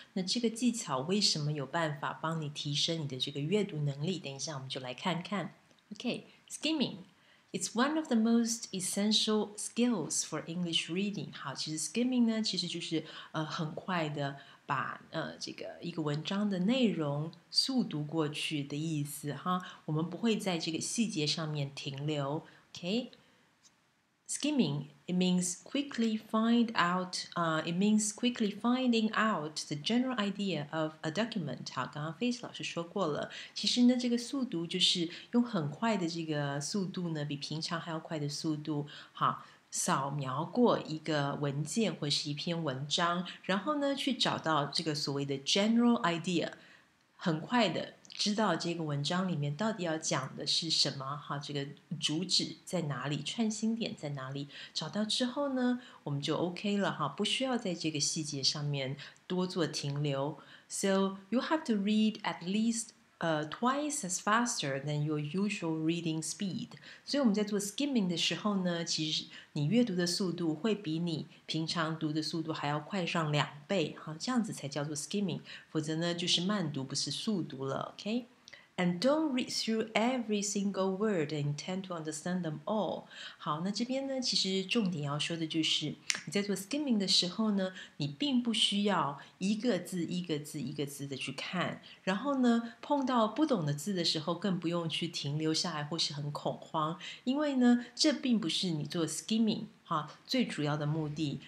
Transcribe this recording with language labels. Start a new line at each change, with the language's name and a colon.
Chinese: 那这个技巧为什么有办法帮你提升你的这个阅读能力？等一下我们就来看看。
English: OK, Skimming It's one of the most essential skills for English reading。
Chinese: 好，其实 Skimming 呢，其实就是很快的把这个一个文章的内容速读过去的意思哈，我们不会在这个细节上面停留。
English: OK, Skimming It means quickly finding out the general idea of a document。
Chinese: 好，刚刚 Face 老师说过了，其实呢这个速读就是用很快的这个速度呢，比平常还要快的速度，好，扫描过一个文件或是一篇文章，然后呢去找到这个所谓的 general idea， 很快的知道这个文章里面到底要讲的是什么，好，这个主旨在哪里，串心点在哪里，找到之后呢我们就 OK 了，好，不需要在这个细节上面多做停留。
English: So you have to read at leastTwice as faster than your usual reading speed。
Chinese: 所以我们在做 skimming 的时候呢，其实你阅读的速度会比你平常读的速度还要快上两倍，好，这样子才叫做 skimming， 否则呢就是慢读，不是速读了。
English: OK, And don't read through every single word and intend to understand them all。
Chinese: 好，那这边呢其实重点要说的就是，你在做 skimming 的时候呢，你并不需要一个字一个字一个字的去看，然后呢碰到不懂的字的时候更不用去停留下来或是很恐慌，因为呢这并不是你做 skimming 哈最主要的目的。